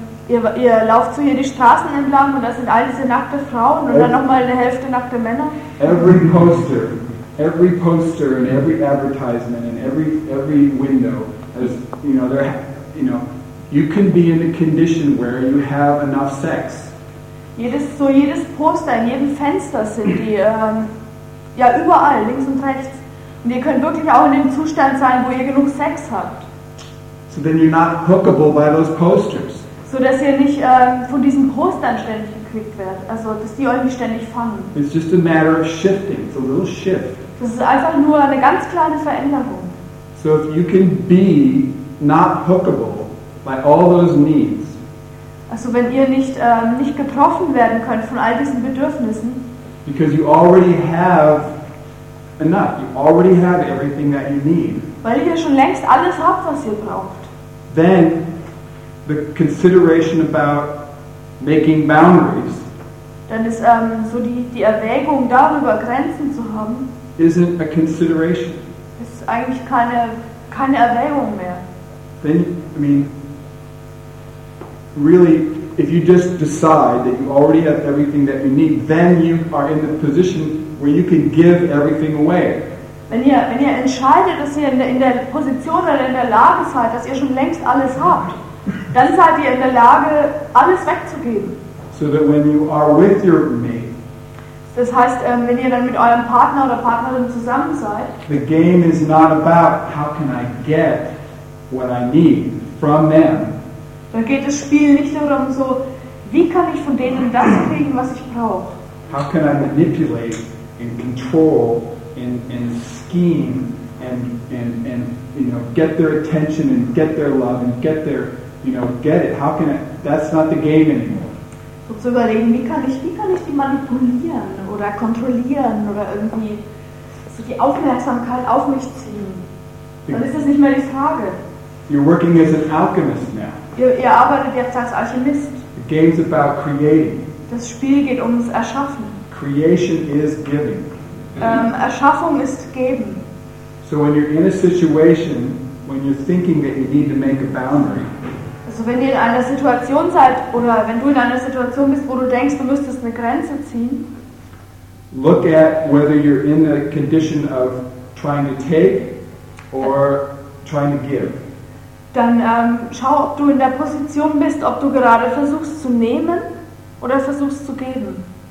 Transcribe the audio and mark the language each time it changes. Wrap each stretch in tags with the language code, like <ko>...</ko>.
<de>Ihr lauft so hier die Straßen entlang und da sind all diese nackte Frauen und dann nochmal eine Hälfte nackte Männer.</de> <en>Every poster and every advertisement and every window has, you know, there, you know, you can be in a condition where you have enough sex.</en> <de>Jedes Poster in jedem Fenster sind die, ja, überall, links und rechts. Und ihr könnt wirklich auch in dem Zustand sein, wo ihr genug Sex habt.</de> <en>So then you're not hookable by those posters.</en> <de>So dass ihr nicht von diesen Postern ständig gekriegt werdet. Also dass die euch nicht ständig fangen.</de> <en>It's just a matter of shifting. It's a little shift.</en> <de>Das ist einfach nur eine ganz kleine Veränderung.</de> <en>So if you can be not hookable by all those needs.</en> <de>Also wenn ihr nicht nicht getroffen werden könnt von all diesen Bedürfnissen.</de> <en>Because you already have enough. You already have everything that you need.</en> <de>Weil ihr schon längst alles habt, was ihr braucht.</de> <en>Then the consideration about making boundaries.</en> <de>Dann ist so die Erwägung darüber, Grenzen zu haben.</de> <en>Isn't a consideration.</en> <de>Ist eigentlich keine Erwägung mehr.</de> <en>Then, I mean, really, if you just decide that you already have everything that you need, then you are in the position where you can give everything away.</en> <de>Wenn ihr entscheidet, dass ihr in der Position oder in der Lage seid, dass ihr schon längst alles habt, dann seid ihr in der Lage, alles wegzugeben.</de> <en>So that when you are with your mate,</en> <de>das heißt, wenn ihr dann mit eurem Partner oder Partnerin zusammen seid,</de> <en>the game is not about how can I get what I need from them.</en> <de>Da geht das Spiel nicht darum, so wie kann ich von denen das kriegen, was ich brauche.</de> <en>How can I manipulate and control and scheme and you know get their attention and get their love and get their you know get it? How can I? That's not the game anymore.</en> <de>So zu überlegen, wie kann ich die manipulieren oder kontrollieren oder irgendwie so die Aufmerksamkeit auf mich ziehen? Dann ist das nicht mehr die Frage.</de> <en>You're working as an alchemist now.</en> <de>Ihr arbeitet jetzt als Alchemist.</de> <en>The game's about creating.</en> <de>Das Spiel geht ums Erschaffen.</de> <en>Creation is giving.</en> <de>Erschaffung ist geben.</de> <en>So when you're in a situation, when you're thinking that you need to make a boundary.</en> <de>Also wenn ihr in einer Situation seid oder wenn du in einer Situation bist, wo du denkst, du müsstest eine Grenze ziehen.</de> <en>Look at whether you're in a condition of trying to take or trying to give.</en> <de>Dann schau, ob du in der Position bist, ob du gerade versuchst zu nehmen oder versuchst zu geben.</de>